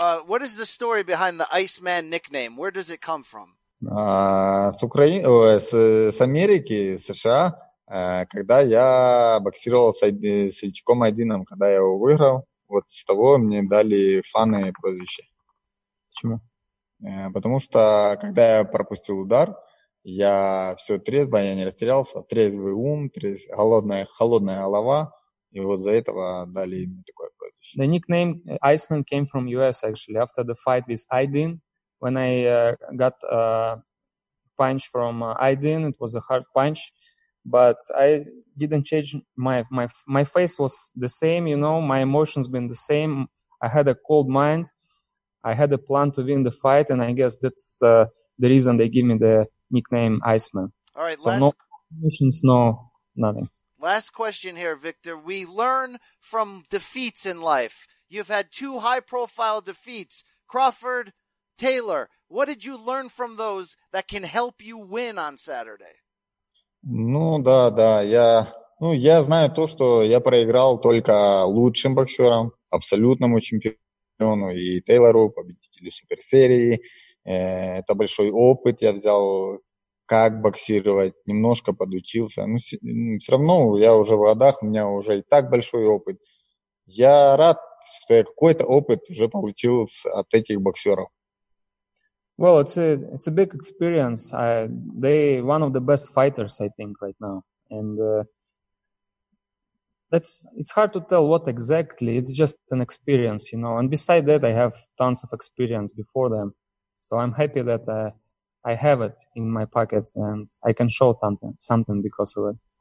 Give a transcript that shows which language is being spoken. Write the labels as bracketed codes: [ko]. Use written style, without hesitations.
[en] What is the story behind the Iceman nickname? Where does it come from? [ru] С Украины, с Америки, США, когда я боксировал с Ильчиком Айдином, когда я его выиграл, вот с того мне дали фаны прозвище. Почему? Потому что, когда я пропустил удар, я все трезво, я не растерялся, трезвый ум, холодная голова, и вот за этого дали мне такое прозвище. [en] The nickname Iceman came from US, actually, after the fight with Aydin. When I got a punch from Aydin, it was a hard punch, but I didn't change my face was the same, you know, my emotions been the same. I had a cold mind. I had a plan to win the fight, and I guess that's the reason they give me the nickname Iceman. All right, so no emotions, no nothing. Last question here, Victor. We learn from defeats in life. You've had two high-profile defeats, Crawford, Taylor, what did you learn from those that can help you win on Saturday? [ru] Ну да, да, я знаю то, что я проиграл только лучшим боксерам, абсолютному чемпиону и Тейлору, победителю суперсерии. Это большой опыт я взял, как боксировать, немножко подучился. Но все равно я уже в годах, у меня уже и так большой опыт. Я рад, что я какой-то опыт уже получил от этих боксеров. [en] Well, it's a big experience. They one of the best fighters, I think, right now. And it's hard to tell what exactly. It's just an experience, you know. And beside that, I have tons of experience before them. So I'm happy that I have it in my pocket and I can show something because of it.